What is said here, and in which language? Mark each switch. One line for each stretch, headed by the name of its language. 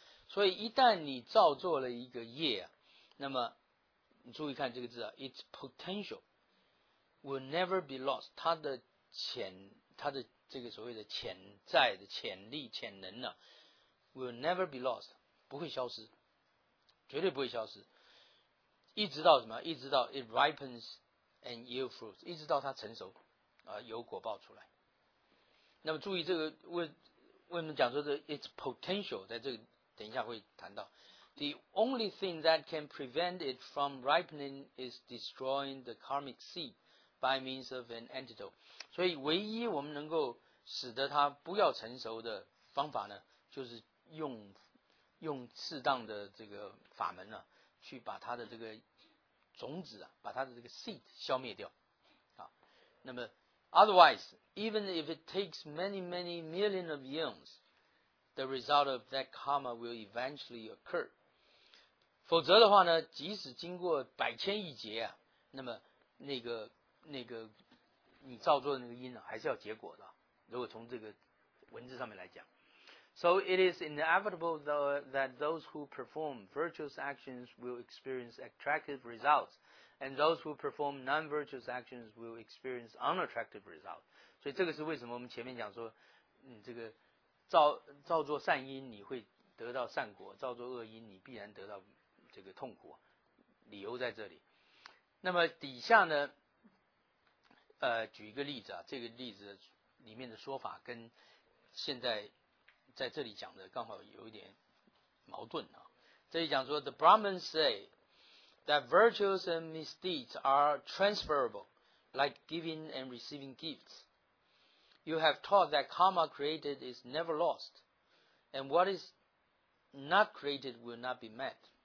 Chinese: 所以一旦你造作了一个业、啊、那么你注意看这个字啊，
English: its potential will never be lost，
Chinese: 它的潜，它的这个所谓的潜在的潜力潜能呢、啊、
English: will never be lost，
Chinese: 不会消失，绝对不会消失，一直到什么，一直到
English: it ripens and yield fruit，
Chinese: 一直到它成熟、有果报出来。那么注意这个为什么讲说的
English: its potential，
Chinese: 在这个等一下会谈到。
English: The only thing that can prevent it from ripening is destroying the karmic seed by means of an antidote。
Chinese: 所以唯一我们能够使得它不要成熟的方法呢，就是用适当的这个法门呢、啊、去把它的这个种子啊，把它的这个 seed 消灭掉。好，那么
English: otherwise even if it takes many many million of years the result of that karma will eventually occur，
Chinese: 否则的话呢，即使经过百千亿劫啊，那么那个你造作的那个因呢、啊、还是要结果的，如果从这个文字上面来讲。
English: So it is inevitable though that those who perform virtuous actions will experience attractive results and those who perform non-virtuous actions will experience unattractive results。
Chinese: 所以这个是为什么我们前面讲说你这个 造作善因你会得到善果，造作恶因你必然得到这个痛苦，理由在这里。那么底下呢举一个例子啊，这个例子里面的说法跟现在在这里讲的刚好有一点矛盾啊。这里讲说
English: The Brahmins say that virtues and misdeeds are transferable like giving and receiving gifts. You have taught that karma created is never lost and what is not created will not be met.